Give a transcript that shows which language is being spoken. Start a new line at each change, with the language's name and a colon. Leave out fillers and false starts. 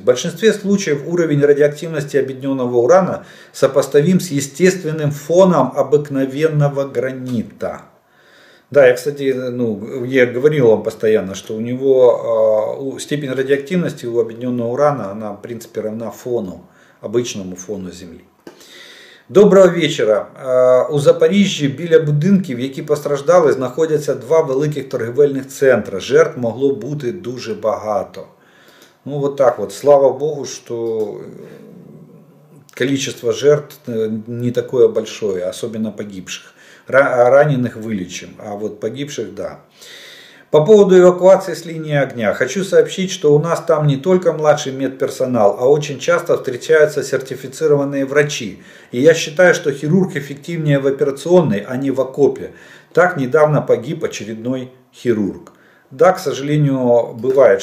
Russian: В большинстве случаев уровень радиоактивности объединенного урана сопоставим с естественным фоном обыкновенного гранита. Да, я, кстати, ну, я говорил вам постоянно, что у него степень радиоактивности у объединенного урана, она, в принципе, равна фону, обычному фону Земли. Доброго вечера.
Ukrainian: У Запоріжжя біля будинків, які постраждали, знаходяться два великих торгівельних центри. Жертв могло бути дуже багато. Ну, от так от. Слава Богу, що кількість жертв не таке велике, особливо погибших. Ранених вилічим, а от погибших – да.
Russian: По поводу эвакуации с линии огня. Хочу сообщить, что у нас там не только младший медперсонал, а очень часто встречаются сертифицированные врачи. И я считаю, что хирург эффективнее в операционной, а не в окопе. Так недавно погиб очередной хирург. Да, к сожалению, бывает.